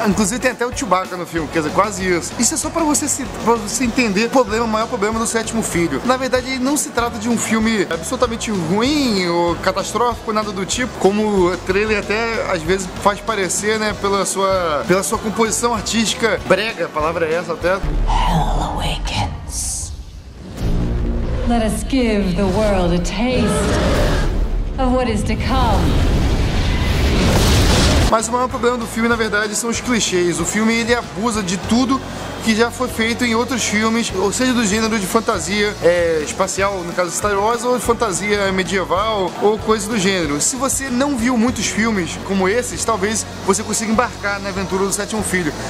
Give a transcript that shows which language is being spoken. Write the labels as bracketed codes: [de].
[pt] Inclusive tem até o Chewbacca no filme, quer dizer, quase isso. Isso é só para você entender o maior problema do Sétimo Filho. Na verdade, não se trata de um filme absolutamente ruim ou catastrófico, nada do tipo, como o trailer até às vezes faz parecer, né, pela sua composição artística brega, a palavra é essa até. [en] Hell awakens. Let us give the world a taste of what is to come. [pt] Mas o maior problema do filme, na verdade, são os clichês. O filme, ele abusa de tudo que já foi feito em outros filmes, ou seja, do gênero de fantasia espacial, no caso Star Wars, ou de fantasia medieval, ou coisa do gênero. Se você não viu muitos filmes como esses, talvez você consiga embarcar na aventura do Sétimo Filho.